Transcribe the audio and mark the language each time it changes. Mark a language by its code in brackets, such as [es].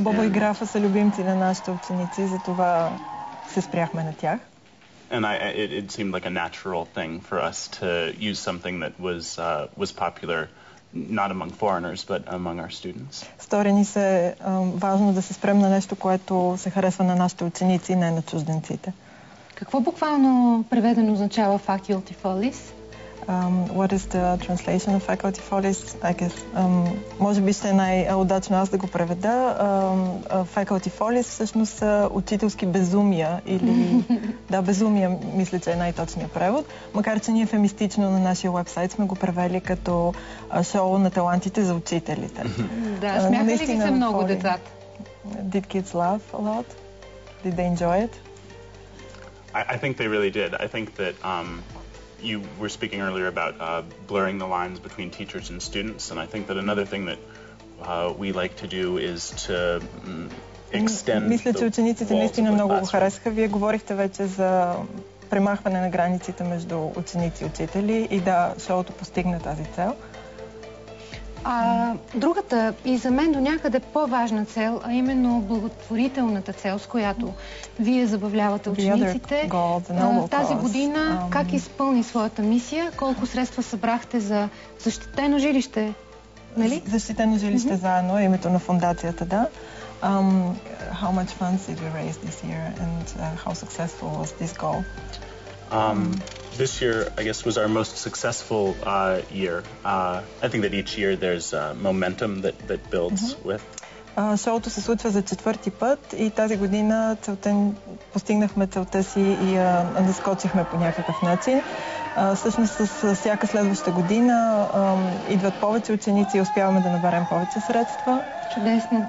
[bg] Боба и Графа са любимци на нашите ученици, затова се спряхме на тях. [en] And it seemed like a natural thing for us to use something that was popular not among foreigners, but among our students. [bg] Стори ни се важно да се спрем на нещо, което се харесва на нашите ученици, не на чужденците. Какво буквално преведено означава Faculty Follies? [en] What is the translation of Faculty Follies? I guess, [bg] може би ще е най-удачно аз да го преведа. Faculty Follies всъщност са учителски безумия или... да, безумия мисля, че е най-точният превод. Макар че ние фемистично на нашия уебсайт сме го превели като шоу на талантите за учителите. Да, смяха ли ги се много децата? [en] Did kids laugh a lot? Did they enjoy it? I think they really did. I think that... you were speaking earlier about blurring the lines between teachers and students, and I think that another thing that we like to do is to extend. [bg] Мисля, че учениците наистина много го харесаха. Вие говорихте вече за премахване на границите между ученици и учители и да, шоуто постигна тази цел. Другата и за мен до някъде по-важна цел, а именно благотворителната цел, с която вие забавлявате учениците. Тази година как изпълни своята мисия? Колко средства събрахте за защитено жилище? Нали? Защитено жилище заедно, името на фондацията, да. [en] How much funds did we raise this year and how successful was this goal? This year, I guess, was our most successful year. I think that each year there's momentum that builds with. [bg] Шоуто се случва за четвърти път и тази година постигнахме целта си и наскочихме по някакъв начин. Всъщност с всяка следваща година идват повече ученици и успяваме да наберем повече средства. Чудесно.